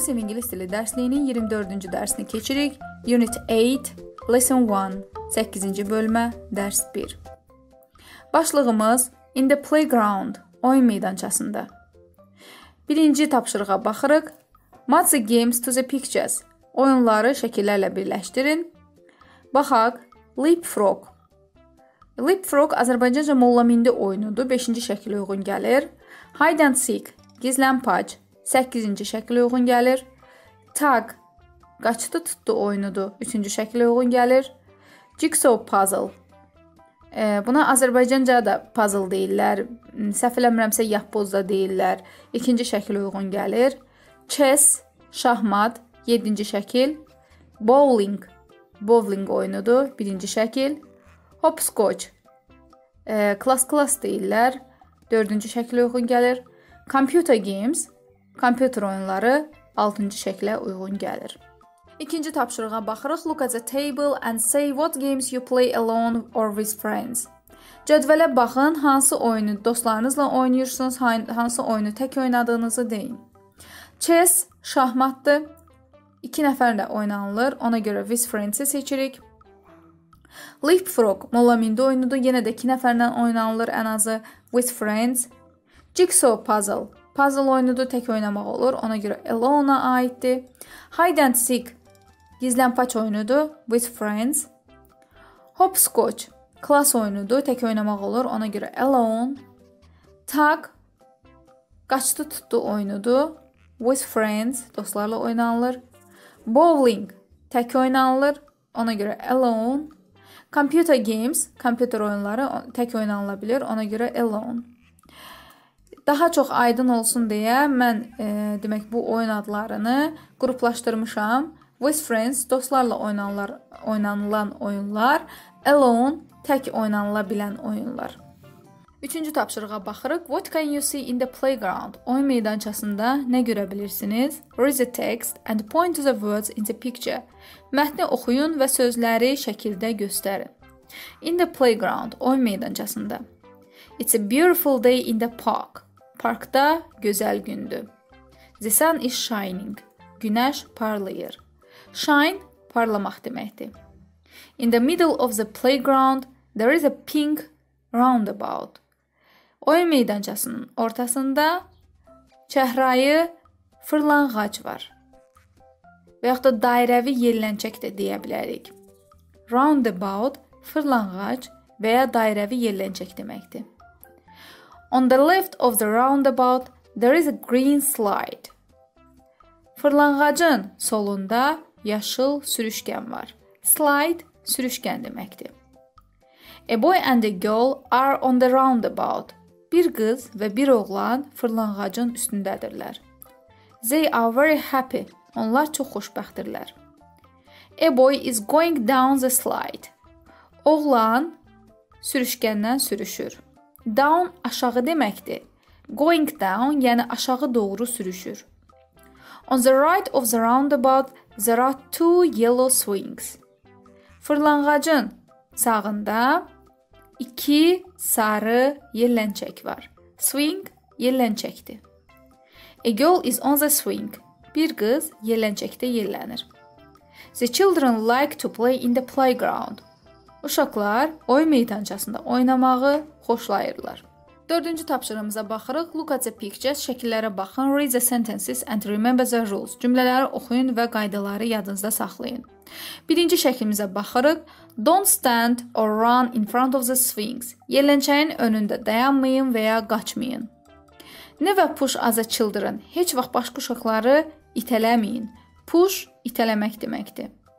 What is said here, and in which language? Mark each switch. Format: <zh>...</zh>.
<az>sinif ingilis dili dərsliyinin 24-cü dərsini keçirik.</az> <en>Unit 8, Lesson 1,</en> <az>8-ci bölmə, dərs 1. Başlığımız</az> <en>In the playground,</en> <az>oyun meydançasında. Birinci tapşırığa baxırıq.</az> <en>Match the games to the pictures.</en> <az>Oyunları şəkillərlə birləşdirin. Baxaq, Leapfrog. Leapfrog Azərbaycanca mollamindi oyunudur. 5-ci şəkilə uyğun gəlir.</az> <en>Hide and seek, gizlənpac.</en> <az>8-ci şəkilə uyğun gəlir. Tag, qaçdı tutdu oyunudur. 3-cü şəkilə uyğun gəlir.</az> <en>Jigsaw puzzle.</en> <az>Buna Azərbaycanca da puzzle deyirlər. Səhv eləmirəmsə yapbozda deyirlər. 2-ci şəkilə uyğun gəlir. Chess, şahmat. 7-ci şəkil. Bowling. Bowling oyunudur. 1-ci şəkil. Hopscotch. Klas-klas deyirlər. 4-cü şəkilə uyğun gəlir.</az> <en>Computer games.</en> <az>Kompüter oyunları 6-cı şəklə uyğun gəlir. İkinci tapşırığa baxırıq.</az> <en>Look at the table and say what games you play alone or with friends.</en> <az>Cədvələ baxın, hansı oyunu dostlarınızla oynayırsınız, hansı oyunu tək oynadığınızı deyin. Chess, şahmatdır. İki nəfərlə oynanılır, ona görə</az> <en>with friends-</en> <az>i seçirik. Leapfrog, mollamindi oyunudur, yenə də iki nəfərlə oynanılır ən azı with friends.</az> <en>Jigsaw puzzle.</en> <az>Puzzle oyunudur, tək oynamaq olur. Ona görə alone-a aiddir. Hide and seek, gizlənpaç oyunudur,</az> <en>with friends.</en> <az>Hopscotch, klas oyunudur, tək oynamaq olur. Ona görə alone. Tag, qaçdı tutdu oyunudur,</az> <en>with friends,</en> <az>dostlarla oynanılır. Bowling, tək oynanılır, ona görə alone.</az> <en>Computer games,</en> <az>kompüter oyunları tək oynanılabilir, ona görə alone. Daha çox aydın olsun deyə mən demək bu oyun adlarını qruplaşdırmışam.</az> <en>With friends,</en> <az>dostlarla oynanılan oyunlar. Alone, tək oynanıla bilən oyunlar. Üçüncü tapşırığa baxırıq.</az> <en>What can you see in the playground?</en> <az>Oyun meydançasında nə görə bilirsiniz?</az> <en>Read the text and point to the words in the picture.</en> <az>Mətni oxuyun və sözləri şəkildə göstərin.</az> <en>In the playground,</en> <az>oyun meydançasında.</az> <en>It's a beautiful day in the park.</en> <az>Parkda gözəl gündür.</az> <en>The sun is shining.</en> <az>Günəş parlayır. Shine, parlamaq deməkdir.</az> <en>In the middle of the playground, there is a pink roundabout.</en> <az>Oyun meydançasının ortasında çəhrayı fırlanğac var. Və yaxud da dairəvi yerlənçək də deyə bilərik. Roundabout, fırlanğac və ya dairəvi yerlənçək deməkdir.</az> <en>On the left of the roundabout, there is a green slide.</en> <az>Fırlanğacın solunda yaşıl sürüşkən var. Slide, sürüşkən deməkdir.</az> <en>A boy and a girl are on the roundabout.</en> <az>Bir qız və bir oğlan fırlanğacın üstündədirlər.</az> <en>They are very happy.</en> <az>Onlar çox xoşbəxtdirlər.</az> <en>A boy is going down the slide.</en> <az>Oğlan sürüşkəndən sürüşür. Down aşağı deməkdir.</az> <en>Going down,</en> <az>yəni aşağı doğru sürüşür.</az> <en>On the right of the roundabout, there are two yellow swings.</en> <az>Fırlanğacın sağında iki sarı yerlənçək var.</az> <en>Swing, yerlənçəkdir. A girl is on the swing.</en> <az>Bir qız yerlənçəkdə yerlənir.</az> <en>The children like to play in the playground.</en> <az>Uşaqlar oyun meydançasında oynamağı xoşlayırlar. Dördüncü tapşırığımıza baxırıq.</az> <en>Look at the pictures,</en> <az>şəkillərə baxın.</az> <en>Read the sentences and remember the rules.</en> <az>Cümlələri oxuyun və qaydaları yadınızda saxlayın. Birinci şəkilimizə baxırıq.</az> <en>Don't stand or run in front of the swings.</en> <az>Yerlənçəyin önündə dayanmayın və ya qaçmayın.</az> <en>Never push other children.</en> <az>Heç vaxt başqa uşaqları itələməyin. Push itələmək deməkdir.</az>